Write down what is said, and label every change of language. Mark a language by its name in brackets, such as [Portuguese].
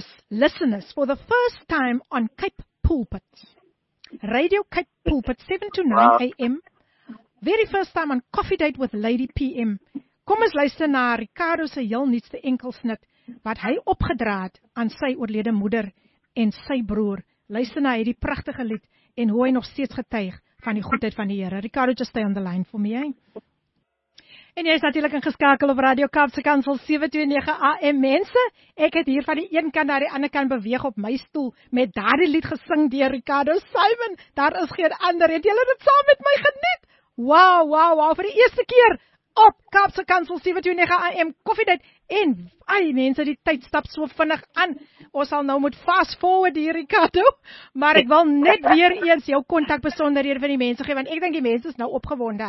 [English] Listeners, for the first time on Cape Pulpit, Radio Cape Pulpit, 7 to 9 a.m., very first time on Coffee Date with Lady PM. [Afrikaans] Kom eens luister na Ricardo se heel nuutste enkelsnit wat hy opgedra het aan sy oorlede moeder en sy broer. Luister na hierdie pragtige lied en hoe hy nog steeds getuig van die goedheid van die Here. [English] Ricardo, just stay on the line for me, hey? [Afrikaans] En jy is natuurlik ingeskakel op Radio Kaapse Kansel 729 AM. Mense, ek het hier van die een kant naar die ander kant beweeg op my stoel met daardie lied gesing deur Ricardo Simon. Daar is geen ander. Het julle dit saam met my geniet? Wow, vir die eerste keer op Kaapse Kansel 729 AM Koffietyd. En ai mense, die tyd stap so vinnig aan. Ons sal nou moet fast forward hier, Ricardo. Maar ek wil net weer eens jou kontak besonderhede van die mense gee, want ek dink die mense is nou opgewonde.